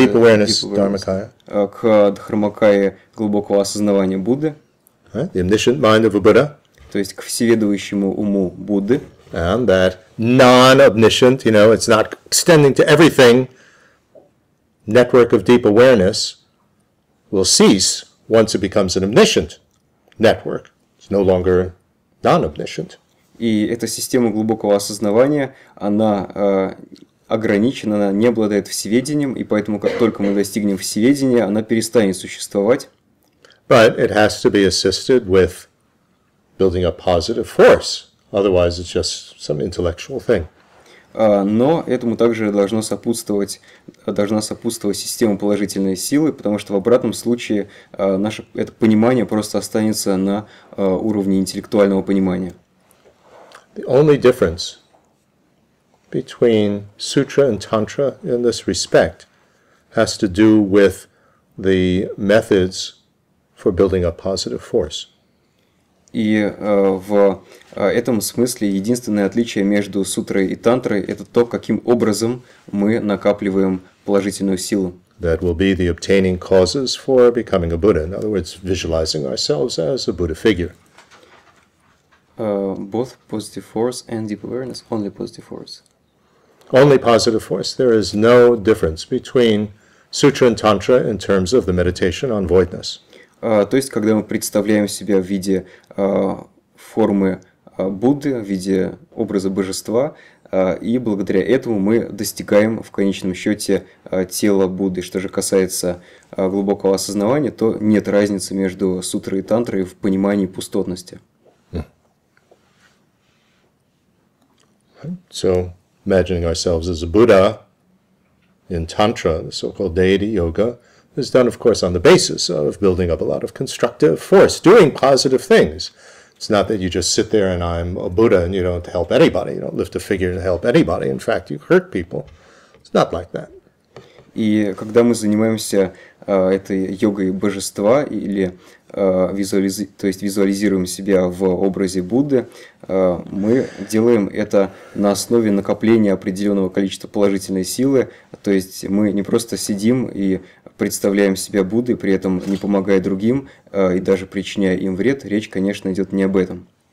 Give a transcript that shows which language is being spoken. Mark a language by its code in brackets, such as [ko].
[en] deep awareness, deep awareness Dharmakaya, [ru] к Дхармакае глубокого осознавания Будды, [en] right? The omniscient mind of a Buddha, [ru] то есть к всеведущему уму Будды, [en] and that non-omniscient, you know, it's not extending to everything, network of deep awareness will cease once it becomes an omniscient network. It's no longer non-omniscient. [ru] И эта система глубокого осознавания, она ограничена, она не обладает всеведением, и поэтому, как только мы достигнем всеведения, она перестанет существовать. [en] But it has to be assisted with building up positive force. Otherwise, it's just some intellectual thing. [ru] Но этому также должна сопутствовать система положительной силы, потому что в обратном случае наше это понимание просто останется на уровне интеллектуального понимания. [en] The only difference between sutra and tantra in this respect has to do with the methods for building up positive force. [ru] И в этом смысле единственное отличие между сутрой и тантрой это то, каким образом мы накапливаем положительную силу. [en] That will be the obtaining causes for becoming a Buddha. In other words, visualizing ourselves as a Buddha figure. Both positive force and deep awareness, only positive force. Only positive force. There is no difference between sutra and tantra in terms of the meditation on voidness. [ru] То есть, когда мы представляем себя в виде формы Будды, в виде образа божества, и благодаря этому мы достигаем в конечном счете тела Будды. Что же касается глубокого осознавания, то нет разницы между сутрой и тантрой в понимании пустотности. [en] So imagining ourselves as a Buddha in Tantra, the so-called deity yoga, is done, of course, on the basis of building up a lot of constructive force, doing positive things, It's not that you just sit there and I'm a Buddha and you don't help anybody. You don't lift a finger to help anybody. In fact, you hurt people. It's not like that. [ru] И когда мы занимаемся этой йогой божества или визуализируем себя в образе Будды, мы делаем это на основе накопления определенного количества положительной силы, то есть мы не просто сидим и представляем себя Буддой, при этом не помогая другим и даже причиняя им вред, речь, конечно, идет не об этом.